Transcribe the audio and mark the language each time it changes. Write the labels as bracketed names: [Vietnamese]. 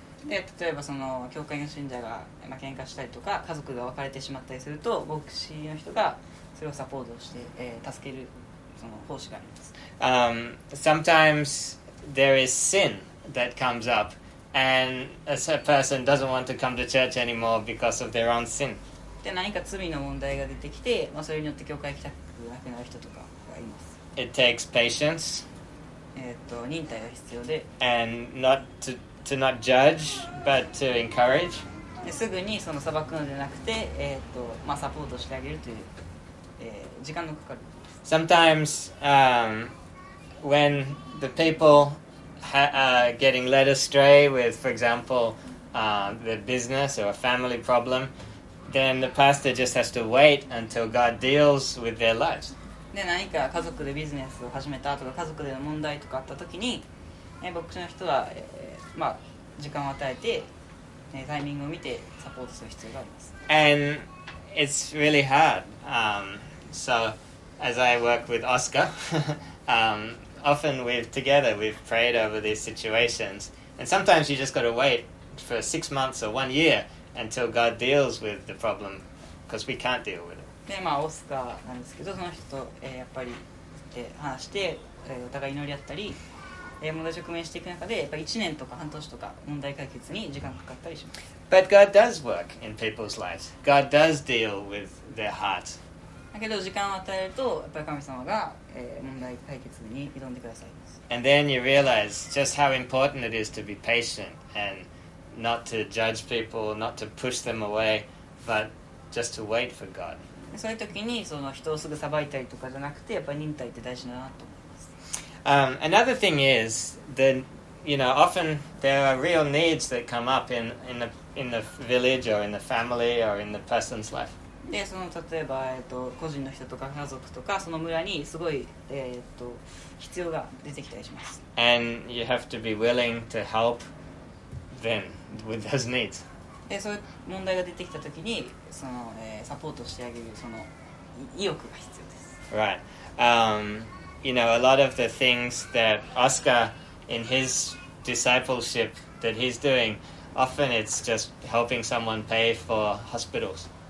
[Japanese] で、例えばその教会の信者が喧嘩したりとか家族が別れてしまったりすると牧師の人がそれをサポートして、助けるその奉仕があります。 [English] Sometimes there is sin that comes up and a person doesn't want to come to church anymore because of their own sin. [Japanese] で、何か罪の問題が出てきて、まあ、それによって教会に来たくなくなる人とかがいます。 [English] It takes patience. [Japanese] 忍耐が必要で [English] and not to not judge, but to encourage. [Japanese] すぐにその裁くのでなくて、まあ、サポートしてあげるという、時間のかかる。 [English] Sometimes, when the people getting led astray with, for example, the business or a family problem, then the pastor just has to wait until God deals with their lives. [Japanese] で、何か家族でビジネスを始めたとか、家族での問題とかあったときに、牧師の人は、まあ、時間を与えて、タイミングを見てサポートする必要があります。 [English] And it's really hard. So as I work with Oscar, often we've prayed over these situations. And sometimes you just got to wait for 6 months or 1 year until God deals with the problem, because we can't deal with it. [Japanese] で、まあ、オスカーなんですけど、その人と、やっぱり、話して、お互い祈り合ったり。問題直面していく中で、やっぱ1年とか半年とか問題解決に時間がかかったりします。 [English] But God does work in people's lives. God does deal with their hearts. [Japanese] だけど時間を与えると、やっぱり神様が、問題解決に挑んでくださいます。 [English] And then you realize just how important it is to be patient and not to judge people, not to push them away, but just to wait for God. [Japanese] そういう時にその人をすぐ裁いたりとかじゃなくて、やっぱり忍耐って大事だなと。 [English] Another thing is that, you know, often there are real needs that come up in the village or in the family or in the person's life. [Japanese] で、その例えば、個人の人とか家族とかその村にすごい、必要が出てきたりします。 [English] And you have to be willing to help then with those needs. [Japanese] で、そういう問題が出てきたときに、その、サポートしてあげるその意欲が必要です。 [English] Right. You know, a lot of the things that Oscar in his discipleship that he's doing, often it's just helping someone pay for hospitals.